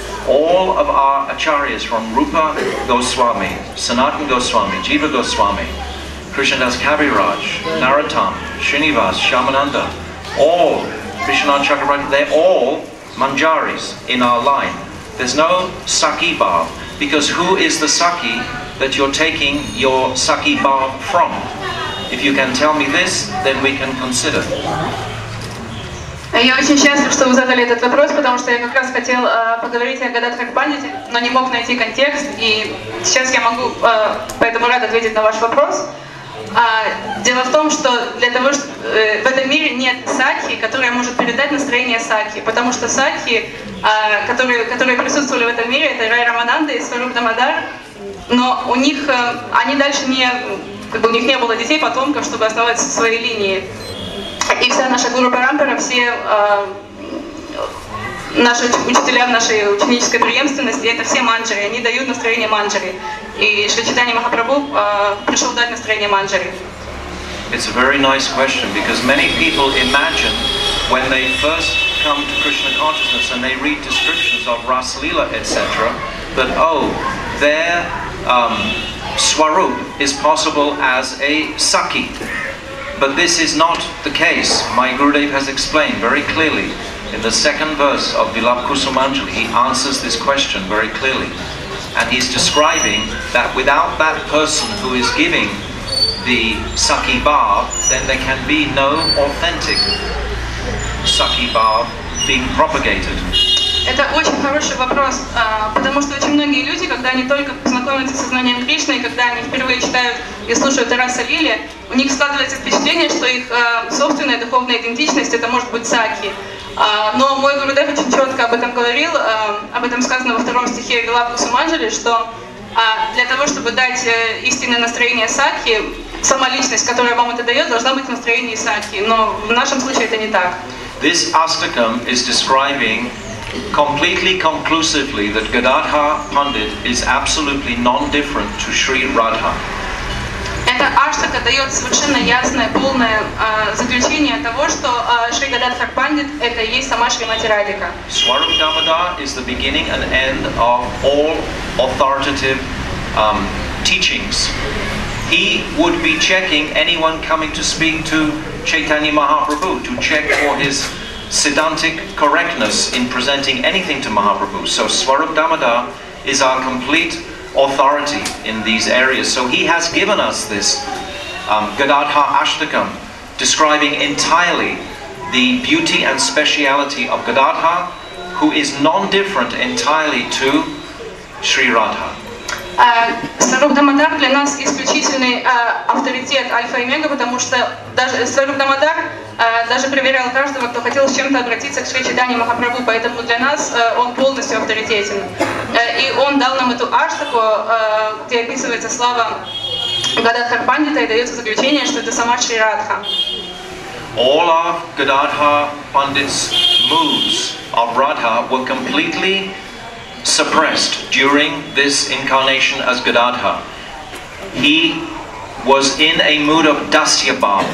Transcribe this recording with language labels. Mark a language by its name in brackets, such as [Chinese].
[English] All of our acharyas from Rupa Goswami, Sanatana Goswami, Jiva Goswami, Krishnadas Kaviraj, Narottam, Srinivas, Shamananda, all, Vishwanatha Chakravarti, they're all Manjaris in our line. There's no Sakhi Bhav, because who is the Sakhi that you're taking your Sakhi Bhav from? If you can tell me this, then we can consider. [Russian] Я очень счастлив, что вы задали этот вопрос, потому что я как раз хотел поговорить о Гададхар Пандите, но не мог найти контекст, и сейчас я могу поэтому рад ответить на ваш вопрос. Дело в том, что для того, что в этом мире нет сакхи, которая может передать настроение сакхи, потому что сакхи, которые присутствовали в этом мире, это Рай Рамананда и Сваруп Дамодар, но у них они дальше не, как бы у них не было детей, потомков, чтобы оставаться в своей линии. И вся наша гуру парампера, все наши учителя в нашей ученической преемственности, это все манджари, они дают настроение манджари. И Шри Чайтанья Махапрабху пришел дать настроение манджари. [English] It's a very nice question, because many people imagine when they first come to Krishna consciousness and they read descriptions of Rasalila, etc., that, oh, their swarup is possible as a sakhi. But this is not the case. My Gurudev has explained very clearly in the second verse of Vilap Kusumanjali, he answers this question very clearly. And he's describing that without that person who is giving the Sakhi Bhav, then there can be no authentic Sakhi Bhav being propagated. [Russian] Это очень хороший вопрос, потому что очень многие люди, когда они только познакомятся с сознанием Кришны, и когда они впервые читают и слушают Расалили, у них складывается впечатление, что их собственная духовная идентичность это может быть сакхи. Но мой Гурудев очень четко об этом говорил, об этом сказано во втором стихе Вилапа Суманджали, что для того, чтобы дать истинное настроение сакхи, сама личность, которая вам это дает, должна быть в настроении сакхи. Но в нашем случае это не так. [English] This astakam is describing completely conclusively that Gadadhar Pandit is absolutely non-different to Sri Radha. [Russian] Эта аштака дает совершенно ясное, полное заключение того, что Шри Гададхар Пандит – это и есть сама Шримати Радика. [English] Swarup Damodar is the beginning and end of all authoritative teachings. He would be checking anyone coming to speak to Chaitanya Mahaprabhu to check for his Siddhantic correctness in presenting anything to Mahaprabhu. So Swarup Damodar is our complete authority in these areas. So he has given us this Gadadha Ashtakam, describing entirely the beauty and speciality of Gadadha, who is non-different entirely to Sri Radha. [Russian] Сварупа Дамодар для нас исключительный авторитет Альфа и Омега, потому что даже Сварупа Дамодар даже проверял каждого, кто хотел с чем-то обратиться к Шри Чайтанья Махапрабху, поэтому для нас он полностью авторитетен. И он дал нам эту аштаку, где описывается слава Гададхар Пандита, и дается заключение, что это сама Шри Радха. [English] All of Gadadhar Pandit's moves of Radha were completely suppressed during this incarnation as Gadadha. He was in a mood of Dasya Bhav.